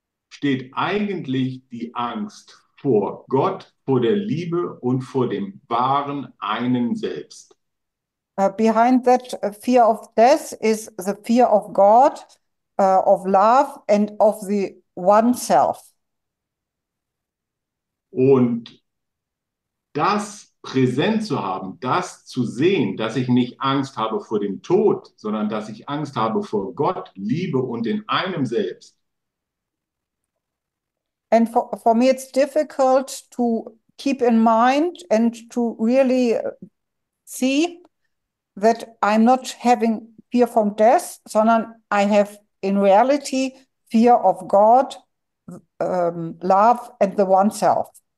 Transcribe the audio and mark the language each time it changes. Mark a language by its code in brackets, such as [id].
[de] steht eigentlich die Angst vor Gott, vor der Liebe und vor dem wahren einen Selbst. [en] Behind that fear of death is the fear of God. Of love and of the oneself. [de] Und das präsent zu haben, das zu sehen, dass ich nicht Angst habe vor dem Tod, sondern dass ich Angst habe vor Gott, Liebe und in einem selbst. [en] And for me, it's difficult to keep in mind and to really see that I'm not having fear from death, sondern I have in reality, fear of God, love and the oneself.